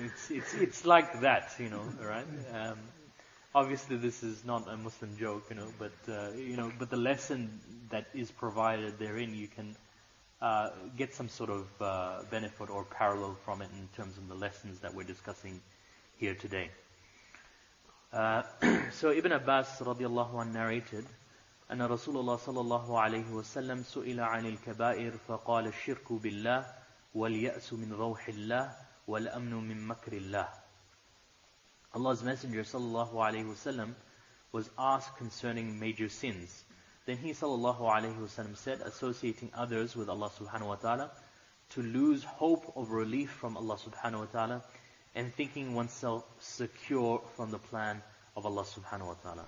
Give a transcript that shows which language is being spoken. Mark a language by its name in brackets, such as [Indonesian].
[English] it's like that, you know, right? Obviously, this is not a Muslim joke, but the lesson that is provided therein, you can get some sort of benefit or parallel from it in terms of the lessons that we're discussing here today. So Ibn Abbas radiallahu anhu narrated [Arabic] أن رسول الله صلى الله عليه وسلم سئل عن الكبائر فقال الشرك بالله واليأس من روح الله والأمن من مكر الله. [English] Allah's Messenger [Arabic] صلى الله عليه وسلم [English] was asked concerning major sins. Then he [Arabic] صلى الله عليه وسلم [English] said, associating others with Allah subhanahu wa ta'ala, to lose hope of relief from Allah subhanahu wa ta'ala, and thinking oneself secure from the plan of Allah subhanahu wa ta'ala.